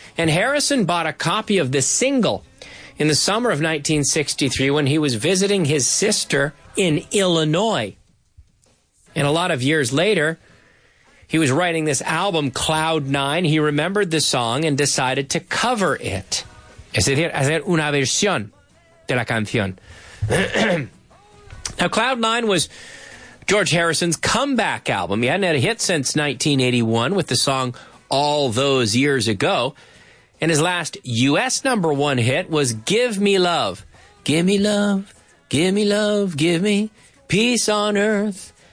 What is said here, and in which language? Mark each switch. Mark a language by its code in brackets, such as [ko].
[en] And Harrison bought a copy of the single in the summer of 1963 when he was visiting his sister in Illinois. And a lot of years later, he was writing this album, Cloud Nine. He remembered the song and decided to cover it. [es] Es decir, hacer una versión de la canción. [en] Now, Cloud Nine was George Harrison's comeback album. He hadn't had a hit since 1981 with the song All Those Years Ago. And his last U.S. number one hit was Give Me Love. Give me love, give me love, give me peace on earth.